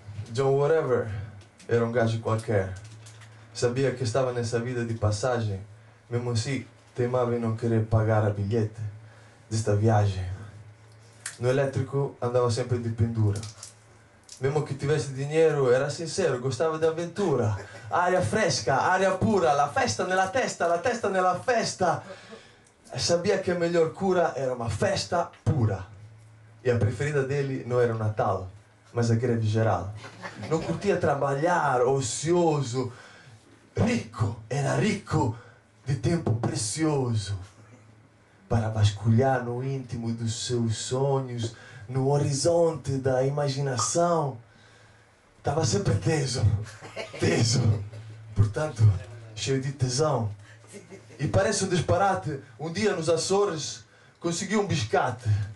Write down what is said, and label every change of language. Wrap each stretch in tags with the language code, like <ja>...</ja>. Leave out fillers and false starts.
<pt>John Whatever era um gajo qualquer. Sabia que estava nessa vida de passagem, mesmo assim teimava em não querer pagar a bilhete desta viagem. No elétrico andava sempre de pendura. Mesmo que tivesse dinheiro, era sincero, gostava de aventura.</pt> <it>Aria fresca, aria pura, la festa nella testa, la testa nella festa. Sabia che la miglior cura era una festa pura. E la preferita dele non era il Natale, ma la greve generale. Non</it> <pt>curtia trabalhar, ocioso,</pt> <it>ricco, era ricco di tempo prezioso.</it> <pt>Para vasculhar no íntimo dos seus sonhos, no horizonte da imaginação, estava sempre teso, teso, portanto, cheio de tesão. E parece um disparate, um dia nos Açores, consegui um biscate.</pt>